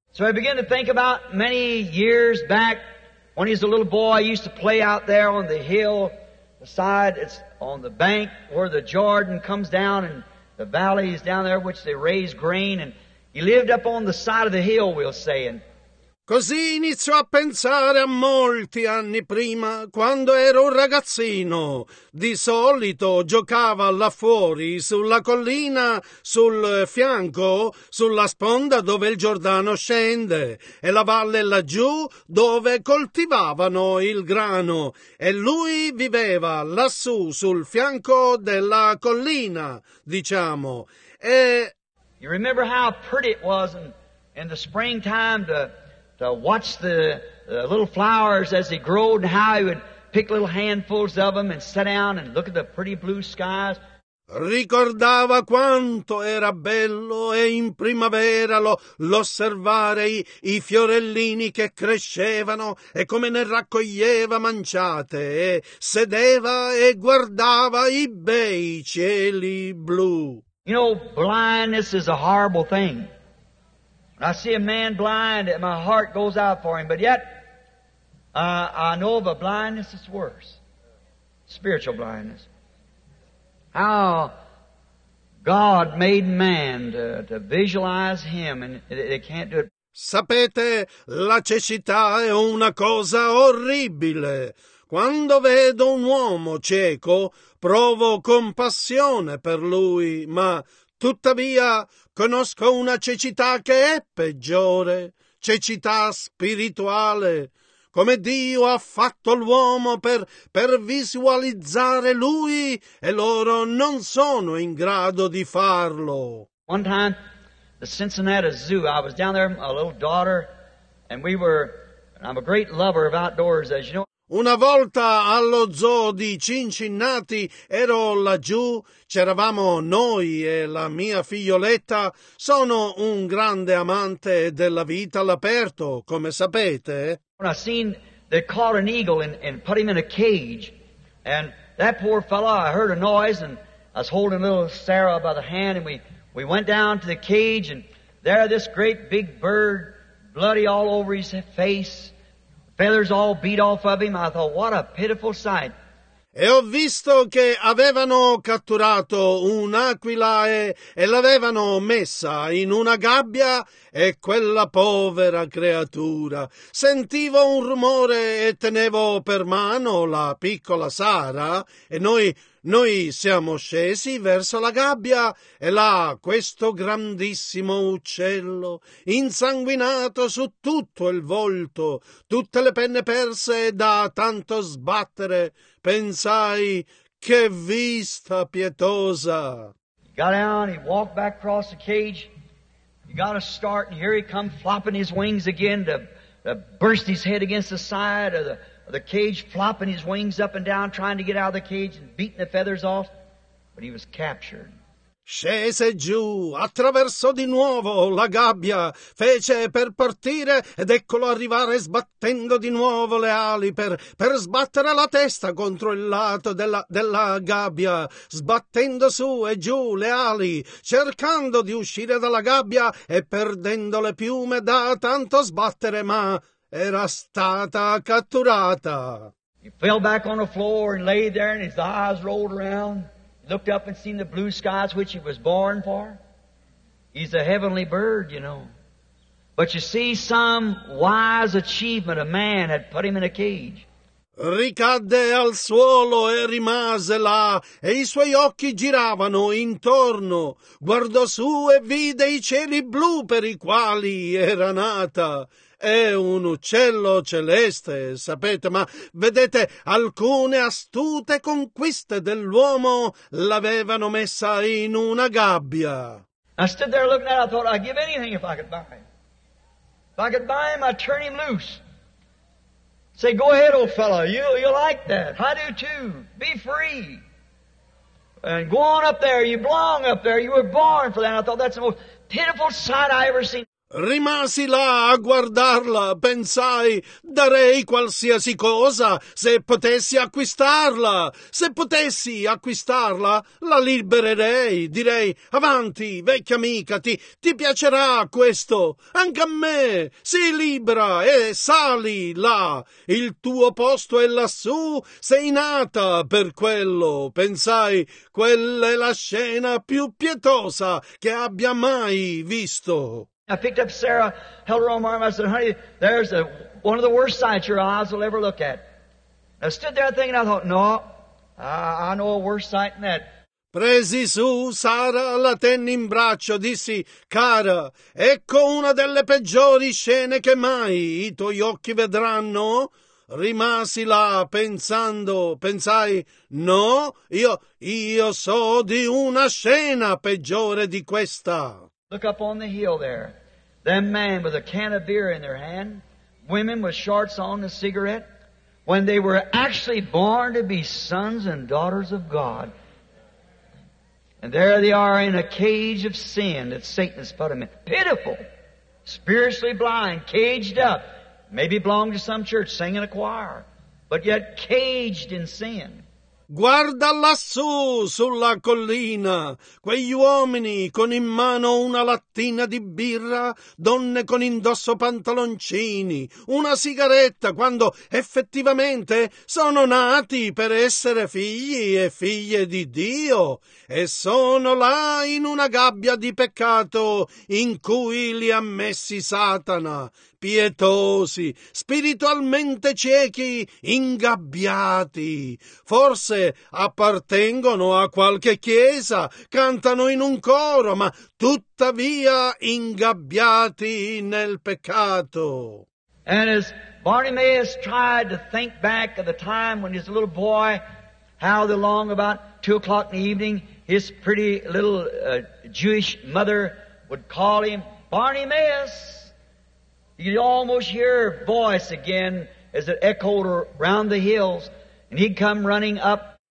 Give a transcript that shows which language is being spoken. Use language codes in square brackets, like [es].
[en] So I began to think about many years back. When he was a little boy, he used to play out there on the hill, the side, it's on the bank where the Jordan comes down and the valley is down there which they raise grain, and he lived up on the side of the hill, we'll say. And [it] così iniziò a pensare a molti anni prima, quando ero un ragazzino. Di solito giocava là fuori, sulla collina, sul fianco, sulla sponda dove il Giordano scende, e la valle laggiù dove coltivavano il grano. E lui viveva lassù, sul fianco della collina, diciamo. E [en] you remember how pretty it was in the springtime to watch the little flowers as they grow and how he would pick little handfuls of them and sit down and look at the pretty blue skies. [it] Ricordava quanto era bello e in primavera l'osservare i fiorellini che crescevano e come ne raccoglieva manciate e sedeva e guardava i bei cieli blu. [en] You know, blindness is a horrible thing. I see a man blind and my heart goes out for him, but yet I know of a blindness that's worse, spiritual blindness. How God made man to visualize him and they can't do it. [it] Sapete, la cecità è una cosa orribile. Quando vedo un uomo cieco, provo compassione per lui, ma tuttavia conosco una cecità che è peggiore, cecità spirituale. come Dio ha fatto l'uomo per visualizzare lui, e loro non sono in grado di farlo. [en] One time, the Cincinnati Zoo, I was down there, a little daughter, and we were, and I'm a great lover of outdoors, as you know. [it] Una volta allo zoo di Cincinnati ero laggiù, c'eravamo noi e la mia figlioletta. Sono un grande amante della vita all'aperto, come sapete. [en] When I seen they caught an eagle and put him in a cage, and that poor fellow, I heard a noise, and I was holding little Sarah by the hand, and we went down to the cage, and there this great big bird, bloody all over his face. Feathers all beat off of him. I thought, what a pitiful sight. [it] E ho visto che avevano catturato un'aquila e l'avevano messa in una gabbia, e quella povera creatura. Sentivo un rumore e tenevo per mano la piccola Sara, e noi siamo scesi verso la gabbia, e là questo grandissimo uccello, insanguinato su tutto il volto, tutte le penne perse da tanto sbattere. Pensai, che vista pietosa! [en] He got down, he walked back across the cage, he got a start, and here he come flopping his wings again to burst his head against the side of the cage, flopping his wings up and down, trying to get out of the cage and beating the feathers off, but he was captured. [it] Scese giù, attraversò di nuovo la gabbia, fece per partire ed eccolo arrivare sbattendo di nuovo le ali per sbattere la testa contro il lato della gabbia, sbattendo su e giù le ali, cercando di uscire dalla gabbia e perdendo le piume da tanto sbattere, ma era stata catturata. [en] He fell back on the floor and lay there and his eyes rolled around. Looked up and seen the blue skies which he was born for. He's a heavenly bird, you know. But you see, some wise achievement a man had put him in a cage. [it] Ricadde al suolo e rimase là, e i suoi occhi giravano intorno. Guardò su e vide i cieli blu per i quali era nata. È un uccello celeste, sapete, ma vedete, alcune astute conquiste dell'uomo l'avevano messa in una gabbia. [en] I stood there looking at it, I thought, I'd give anything if I could buy him. If I could buy him, I'd turn him loose. Say, go ahead, old fellow, you like that. I do too. Be free. And go on up there, you belong up there, you were born for that. And I thought, that's the most pitiful sight I ever seen. [it] Rimasi là a guardarla, pensai, darei qualsiasi cosa se potessi acquistarla. Se potessi acquistarla, la libererei, direi, avanti, vecchia amica, ti piacerà questo, anche a me, sii libera e sali là, il tuo posto è lassù, sei nata per quello, pensai, quella è la scena più pietosa che abbia mai visto. [en] I picked up Sarah, held her on my arm, I said, honey, there's one of the worst sights your eyes will ever look at. I stood there thinking, I thought, no, I know a worse sight than that. [it] Presi su Sara, la tenni in braccio, dissi, cara, ecco una delle peggiori scene che mai i tuoi occhi vedranno. Rimasi là pensando, pensai, no, io so di una scena peggiore di questa. [en] Look up on the hill there. Them men with a can of beer in their hand, women with shorts on a cigarette, when they were actually born to be sons and daughters of God. And there they are in a cage of sin that Satan has put them in. Pitiful, spiritually blind, caged up, maybe belong to some church, sing in a choir, but yet caged in sin. [it] Guarda lassù sulla collina quegli uomini con in mano una lattina di birra, donne con indosso pantaloncini, una sigaretta, quando effettivamente sono nati per essere figli e figlie di Dio, e sono là in una gabbia di peccato in cui li ha messi Satana. Pietosi, spiritualmente ciechi, ingabbiati. Forse appartengono a qualche chiesa, cantano in un coro, ma tuttavia ingabbiati nel peccato. [en] And as Bartimaeus tried to think back of the time when his little boy howled along about 2 o'clock in the evening. His pretty little Jewish mother would call him, Bartimaeus. You could almost hear her voice again as it echoed around the hills, and he'd come running up.